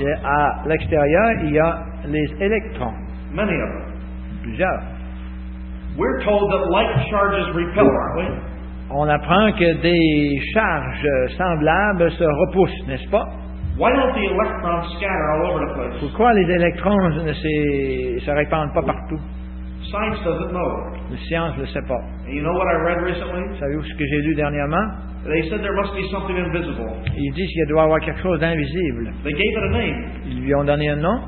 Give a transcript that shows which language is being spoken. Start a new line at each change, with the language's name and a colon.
French: Et à l'extérieur, il y a les électrons.
English: Many of them.
French: Plusieurs.
English: We're told that like charges repel, aren't we?
French: On apprend que des charges semblables se repoussent, n'est-ce pas?
English: Why don't the electrons scatter all over the place?
French: Pourquoi les électrons ne se répandent pas partout?
English: Science doesn't know.
French: La science ne sait pas.
English: And you know what I read recently?
French: Savez-vous ce que j'ai lu dernièrement?
English: They said there must be something invisible.
French: Ils disent qu'il doit y avoir quelque chose d'invisible.
English: They gave it a name.
French: Ils lui ont donné un nom.